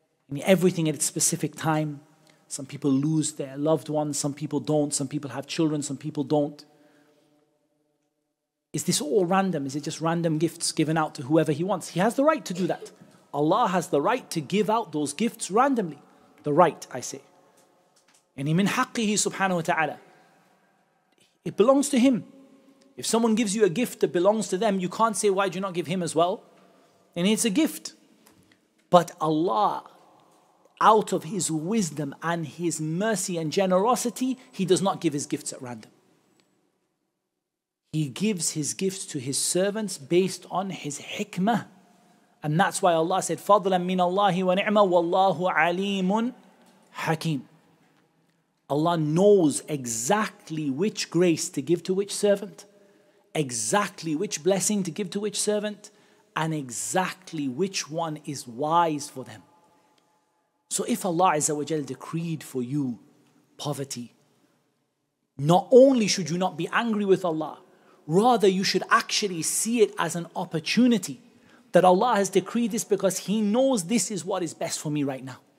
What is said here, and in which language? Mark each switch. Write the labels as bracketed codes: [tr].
[en] Yani everything at its specific time. Some people lose their loved ones, some people don't, some people have children, some people don't. Is this all random? Is it just random gifts given out to whoever He wants? He has the right to do that. Allah has the right to give out those gifts randomly. The right, I say. [ar] And من حقه سبحانه وتعالى. [en] It belongs to Him. If someone gives you a gift that belongs to them, you can't say, why do you not give him as well? And it's a gift. But Allah, out of His wisdom and His mercy and generosity, He does not give His gifts at random. He gives His gifts to His servants based on His hikmah. And that's why Allah said, [ar] فَضْلًا مِنَ اللَّهِ وَنِعْمَةً وَاللَّهُ عَلِيمٌ حَكِيمٌ. [en] Allah knows exactly which grace to give to which servant, exactly which blessing to give to which servant, and exactly which one is wise for them. So if Allah Azza wa Jal decreed for you poverty, not only should you not be angry with Allah, rather you should actually see it as an opportunity that Allah has decreed this because He knows this is what is best for me right now.